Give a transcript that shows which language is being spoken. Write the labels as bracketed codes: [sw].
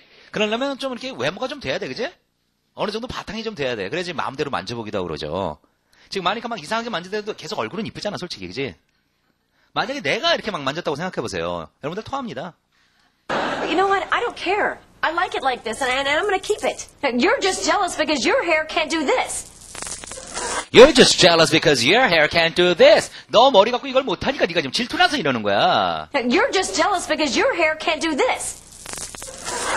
[ko] 그러려면 좀 이렇게 외모가 좀 돼야 돼, 그지? 어느 정도 바탕이 좀 돼야 돼. 그래야지 마음대로 만져보기도 하고 그러죠. 지금 마니카 막 이상하게 만져대도 계속 얼굴은 이쁘잖아, 솔직히, 그지? 만약에 내가 이렇게 막 만졌다고 생각해보세요. 여러분들 토합니다. [en] You know what? I don't care. I like it like this, and I'm gonna keep it. You're just jealous because your hair can't do this. You're just jealous because your hair can't do this. [ko] 너 머리 갖고 이걸 못하니까 네가 지금 질투나서 이러는 거야. [en] You're just jealous because your hair can't do this.